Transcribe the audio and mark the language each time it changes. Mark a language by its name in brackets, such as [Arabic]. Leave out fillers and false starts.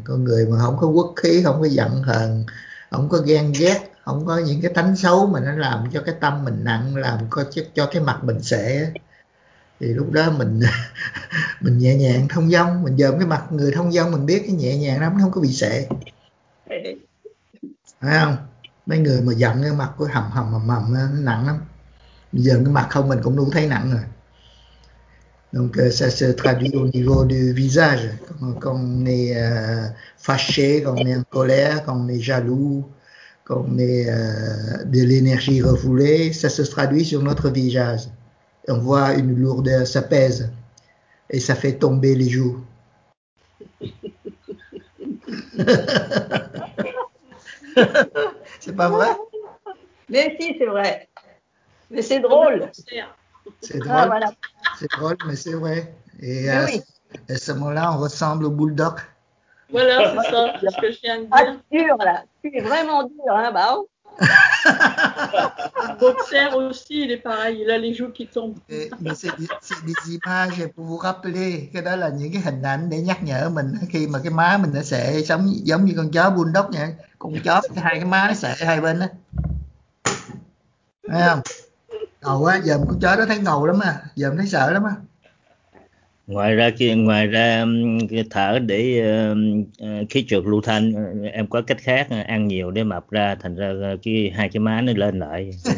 [Vietnamese] Con người mà không có quốc khí, không có giận hờn, không có ghen ghét, không có những cái tánh xấu mà nó làm cho cái tâm mình nặng, làm cho cái mặt mình sệ, thì lúc đó mình nhẹ nhàng thông dong. Mình dòm cái mặt người thông dong mình biết cái nhẹ nhàng lắm, nó không có bị sệ. Phải không? Mấy người mà giận cái mặt cứ hầm hầm hầm hầm nó nặng lắm. Bây giờ cái mặt không mình cũng đủ thấy nặng rồi. [French] Donc ça se traduit au niveau du visage. Quand on est fâché, quand on est en colère, quand on est jaloux, quand on est de l'énergie refoulée, ça se traduit sur notre visage. On voit une lourdeur, ça pèse et ça fait tomber les joues. C'est pas vrai? Mais si, c'est vrai. Mais c'est drôle. C'est drôle. Ah, voilà. C'est drôle, mais c'est vrai. Et à, oui. À ce moment-là, on ressemble au bulldog. Voilà, c'est ça. C'est ce que je viens de dire. Ah, dur, là. C'est vraiment dur, hein, bah. Boxer aussi, il est pareil. Il a les joues qui tombent. Et, mais c'est des images pour vous rappeler. [Vietnamese] Cái đó là những cái hình ảnh để nhắc nhở mình khi mà cái má mình nó sẽ giống như con chó bulldog nha. Con chó hai cái má nó sẽ hai bên đó. Thấy không? Ngầu quá, giờ con chó nó thấy ngầu lắm à, giờ nó thấy sợ lắm à. Ngoài ra cái thở để khí trượt lưu thanh, em có cách khác, ăn nhiều để mập ra, thành ra cái hai cái má nó lên lại.